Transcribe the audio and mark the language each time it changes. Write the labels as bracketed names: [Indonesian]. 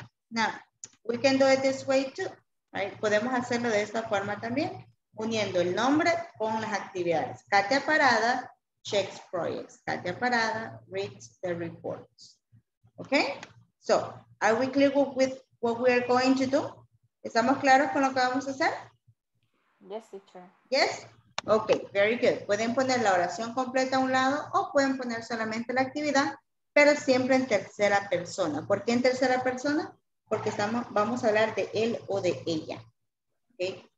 [English] Now, we can do it this way too, right? [Spanish] Podemos hacerlo de esta forma también, uniendo el nombre con las actividades. [English] Katia Parada checks projects. Katia Parada reads the reports. Okay? So, are we clear with what we are going to do? [Spanish] ¿Estamos claros con lo que vamos a hacer? [English] Yes, teacher. Yes? Okay, very good. [Spanish] Pueden poner la oración completa a un lado o pueden poner solamente la actividad, pero siempre en tercera persona. ¿Por qué en tercera persona? Porque vamos a hablar de él o de ella. Okay?